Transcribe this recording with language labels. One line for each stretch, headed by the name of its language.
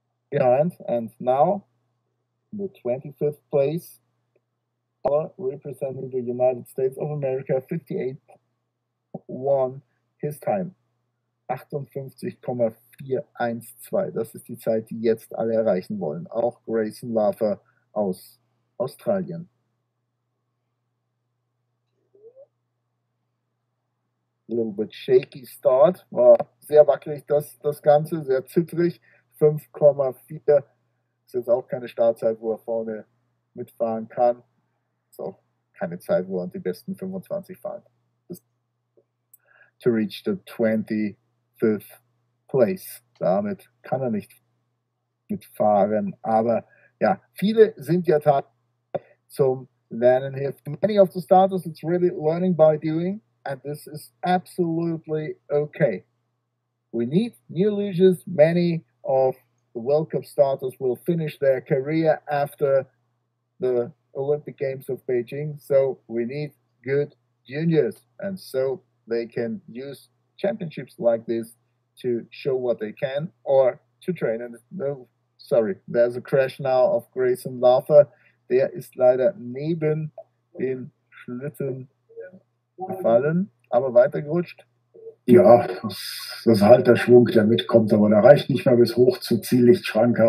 English: behind, and now the 25th place, representing the United States of America, 58.1 his time.
German: 58.412, das ist die Zeit, die jetzt alle erreichen wollen. Auch Grayson Laffer aus Australien.
English: A little bit shaky start,
German: war sehr wackelig das Ganze, sehr zittrig. 5,4 ist jetzt auch keine Startzeit, wo er vorne mitfahren kann. Ist auch keine Zeit, wo er die besten 25 fahren.
English: To reach the 25th place.
German: Damit kann er nicht mitfahren. Aber ja, viele sind ja tatsächlich zum Lernen hier.
English: For many of the starters, it's really learning by doing. And this is absolutely okay. We need new luges. Many of the World Cup starters will finish their career after the Olympic Games of Beijing. So we need good juniors. And so they can use championships like this to show what they can or to train. And no, sorry, there's a crash now of Grayson Laffer.
German: Der ist leider neben den Schlitten gefallen, aber weitergerutscht. Ja, das ist halt der Schwung, der mitkommt, aber der reicht nicht mehr bis hoch zur Ziellichtschranke.